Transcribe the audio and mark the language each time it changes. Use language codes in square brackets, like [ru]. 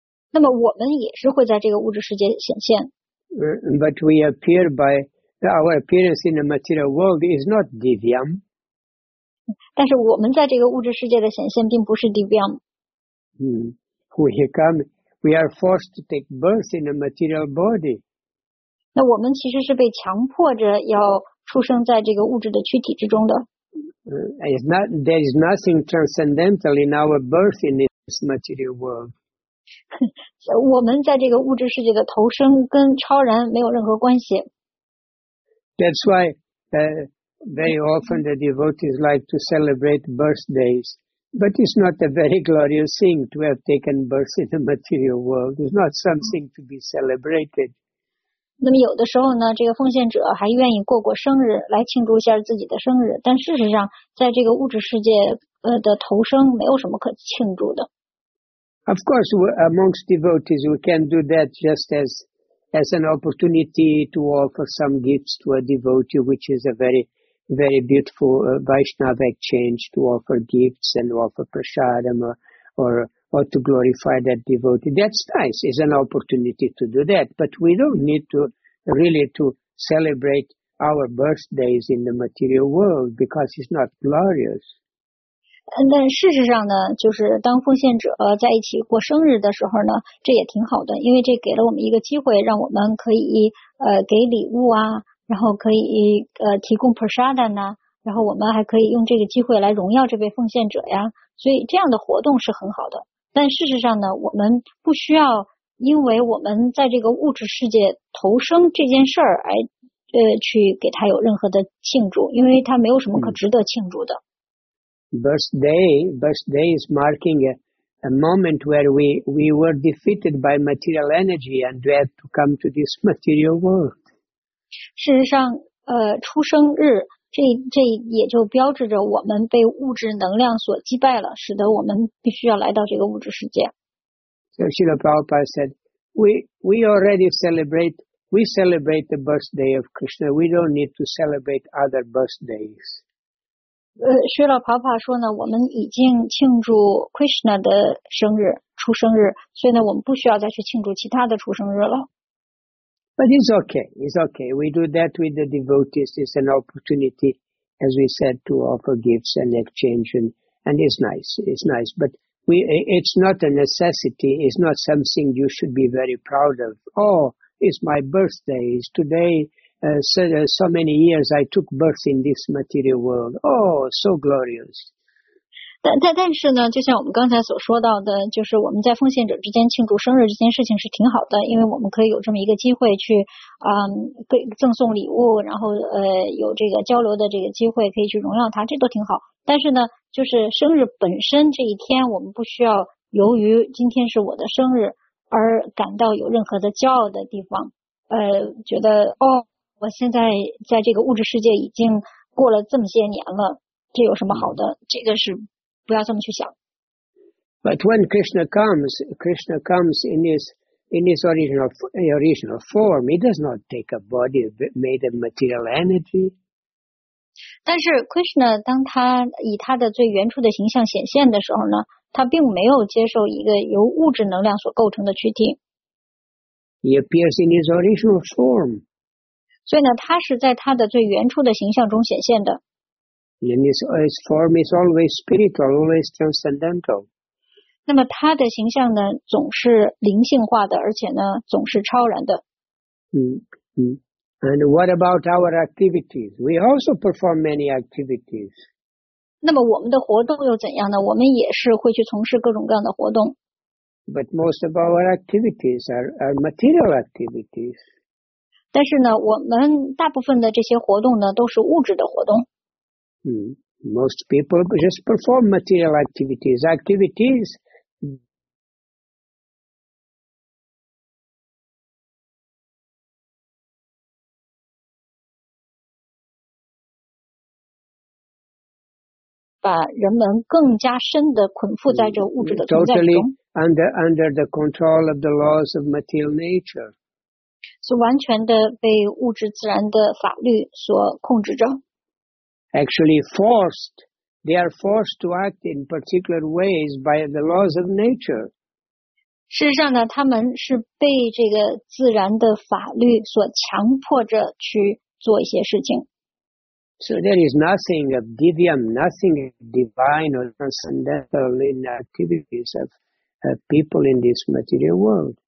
[zh] 那么我们也是会在这个物质世界显现。 [en] But we appear by our appearance in the material world is not divyam. [zh] 但是我们在这个物质世界的显现并不是 divyam. [en] We are forced to take birth in a material body. [zh] 那我们其实是被强迫着要出生在这个物质的躯体之中的。 [en] There is nothing transcendental in our birth in this material world. [zh] 我们在这个物质世界的投生跟超然没有任何关系。 [en] That's why very often the devotees like to celebrate birthdays. But it's not a very glorious thing to have taken birth in the material world. It's not something to be celebrated. [zh] 那么有的时候呢，这个奉献者还愿意过过生日来庆祝一下自己的生日，但事实上在这个物质世界的投生没有什么可庆祝的。 [en] Of course, amongst devotees, we can do that just as an opportunity to offer some gifts to a devotee, which is a very, very beautiful Vaishnava exchange, to offer gifts and offer prasadam or to glorify that devotee. That's nice. It's an opportunity to do that. But we don't need to really to celebrate our birthdays in the material world because it's not glorious. [zh] 但事实上呢，就是当奉献者在一起过生日的时候呢，这也挺好的，因为这给了我们一个机会，让我们可以给礼物啊，然后可以提供 prasada 呢，然后我们还可以用这个机会来荣耀这位奉献者呀，所以这样的活动是很好的。但事实上呢，我们不需要因为我们在这个物质世界投生这件事儿来去给他有任何的庆祝，因为他没有什么可值得庆祝的。 [en] Birthday is marking a moment where we were defeated by material energy and we had to come to this material world. [zh] 事实上，出生日这也就标志着我们被物质能量所击败了，使得我们必须要来到这个物质世界。 [en] So Srila Prabhupada said, we celebrate the birthday of Krishna. We don't need to celebrate other birthdays. [zh] 薛老婆婆说呢，我们已经庆祝 Krishna 的生日，出生日，所以呢，我们不需要再去庆祝其他的出生日了。 [en] But it's okay. We do that with the devotees. It's an opportunity, as we said, to offer gifts and exchange, and it's nice. But it's not a necessity. It's not something you should be very proud of. Oh, it's my birthday. It's today, so many years I took birth in this material world. Oh, so glorious. [zh] 但是呢，就像我们刚才所说到的，就是我们在奉献者之间庆祝生日这件事情是挺好的，因为我们可以有这么一个机会去，赠送礼物，然后有这个交流的这个机会，可以去荣耀他，这都挺好。但是呢，就是生日本身这一天，我们不需要由于今天是我的生日而感到有任何的骄傲的地方，觉得哦，我现在在这个物质世界已经过了这么些年了，这有什么好的？这个是。不要这么去想。 [en] But when Krishna comes in his original form, he does not take a body made of material energy. [zh] 但是 Krishna 当他以他的最原初的形象显现的时候呢，他并没有接受一个由物质能量所构成的躯体。 [en] He appears in his original form. [zh] 所以呢，他是在他的最原初的形象中显现的。 [en] And his form is always spiritual, always transcendental. [zh] 那么他的形象呢，总是灵性化的，而且呢，总是超然的。 [en] And what about our activities? We also perform many activities. [zh] 那么我们的活动又怎样呢？我们也是会去从事各种各样的活动。 [en] But most of our activities are material activities. [zh] 但是呢，我们大部分的这些活动呢，都是物质的活动。 [en] Most people just perform material activities. Activities. [zh] 把人们更加深的捆缚在这物质的存在中。 [en] Totally under the control of the laws of material nature. [zh] 是完全的被物质自然的法律所控制着。 [en] Actually forced, they are forced to act in particular ways by the laws of nature. [zh] 事实上呢，他们是被这个自然的法律所强迫着去做一些事情。 [en] So there is nothing of divium, nothing divine or transcendental in the activities of people in this material world.